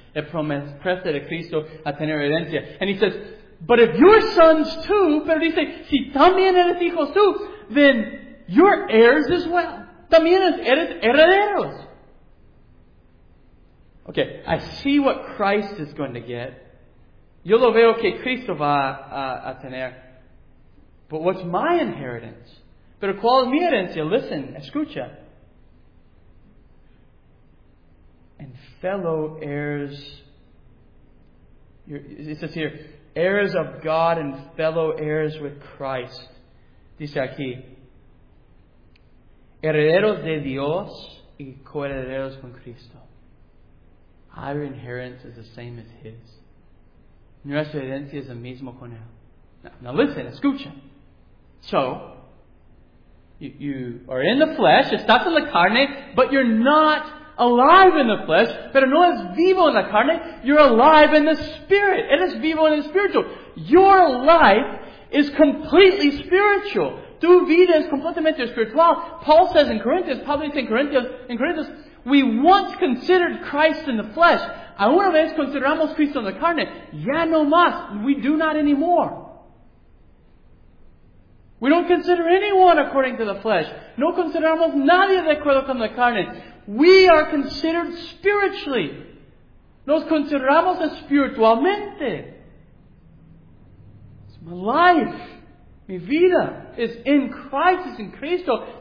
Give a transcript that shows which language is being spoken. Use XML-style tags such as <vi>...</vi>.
<es>El promesa de Cristo a tener herencia.</es> <en>And He says, but if your sons too,</en> <es>pero dice, si también eres hijos tú,</es> <en>then you're heirs as well.</en> <es>También eres herederos.</es> <en>Okay, I see what Christ is going to get.</en> <es>Yo lo veo que Cristo va a tener.</es> <en>But what's my inheritance?</en> <es>Pero ¿cuál es mi herencia?</es> <en>Listen,</en> <es>escucha.</es> <en>And fellow heirs, it says here, heirs of God and fellow heirs with Christ.</en> <es>Dice aquí, herederos de Dios y coherederos con Cristo.</es> <en>Our inheritance is the same as His.</en> <es>Nuestra herencia es el mismo con él.</es> <en>Now listen,</en> <es>escucha.</es> <en>So, you are in the flesh,</en> <es>estás en la carne,</es> <en>but you're not alive in the flesh,</en> <es>pero no es vivo en la carne.</es> <en>You're alive in the Spirit.</en> <es>Eres vivo en el espiritual.</es> <en>Your life is completely spiritual.</en> <es>Tu vida es completamente espiritual.</es> <en>Paul says in Corinthians, we once considered Christ in the flesh.</en> <es>Una vez consideramos Cristo en la carne. Ya no más.</es> <en>We do not anymore. We don't consider anyone according to the flesh.</en> <es>No consideramos nadie de acuerdo con la carne.</es> <en>We are considered spiritually.</en> <es>Nos consideramos espiritualmente.</es> <en>It's my life.</en> <es>Mi vida</es> <en>is in Christ, is in Cristo.</en>